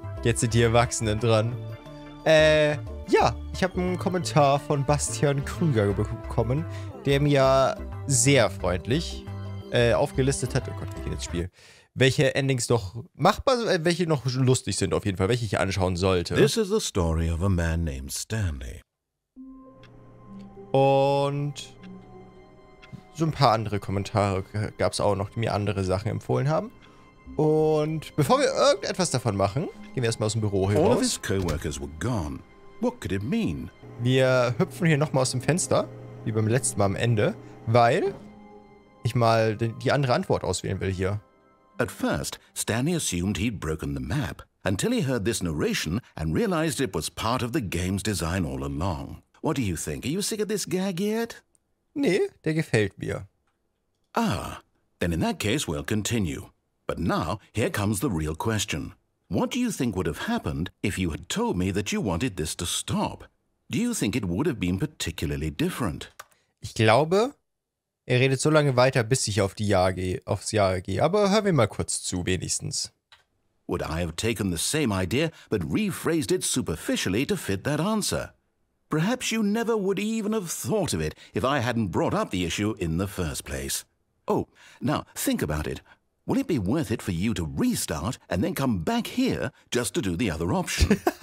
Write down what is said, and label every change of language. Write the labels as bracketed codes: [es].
[de] Jetzt sind die Erwachsenen dran. Ja, ich habe einen Kommentar von Bastian Krüger bekommen, der mir sehr freundlich aufgelistet hat. Oh Gott, wie geht das Spiel? Welche Endings noch machbar, welche noch lustig sind auf jeden Fall, welche ich anschauen sollte. [en] This is the story of a man named Stanley. [de] Und so ein paar andere Kommentare gab es auch noch, die mir andere Sachen empfohlen haben. Und bevor wir irgendetwas davon machen, gehen wir erstmal aus dem Büro hier raus. [en] All of his coworkers were gone. What could it mean? [de] Wir hüpfen hier nochmal aus dem Fenster, wie beim letzten Mal am Ende, weil ich mal die andere Antwort auswählen will hier. [en] At first, Stanley assumed he'd broken the map, until he heard this narration and realized it was part of the game's design all along. What do you think? Are you sick of this gag yet? [de] Nee, der gefällt mir. [en] Ah, then in that case we'll continue. But now, here comes the real question. What do you think would have happened if you had told me that you wanted this to stop? Do you think it would have been particularly different? [de] Ich glaube, er redet so lange weiter, bis ich auf die Jahr gehe, aufs Jahr gehe. Aber hören wir mal kurz zu, wenigstens. [en] Would I have taken the same idea, but rephrased it superficially to fit that answer? Perhaps you never would even have thought of it, if I hadn't brought up the issue in the first place. Oh, now, think about it. Will it be worth it for you to restart and then come back here just to do the other option?